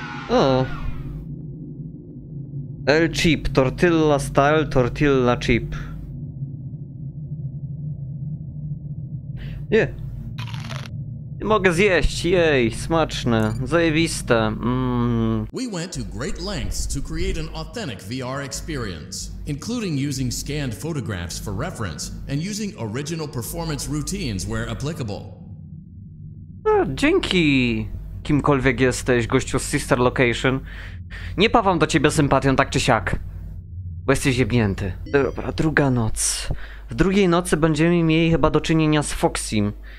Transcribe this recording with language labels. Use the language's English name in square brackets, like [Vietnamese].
[English] O. El Chip, Tortilla Style, Tortilla Chip. [Polish] Nie. Nie mogę zjeść, jej, smaczne, zajebiste. [English] We went to great lengths to create an authentic VR experience, including using scanned photographs for reference and using original performance routines where applicable. [Polish] A, dzięki, kimkolwiek jesteś, gościu z Sister Location. Nie pawam do ciebie sympatią, tak czy siak. Bo jesteś jebnięty. Dobra, druga noc. W drugiej nocy będziemy mieli chyba do czynienia z Foxym.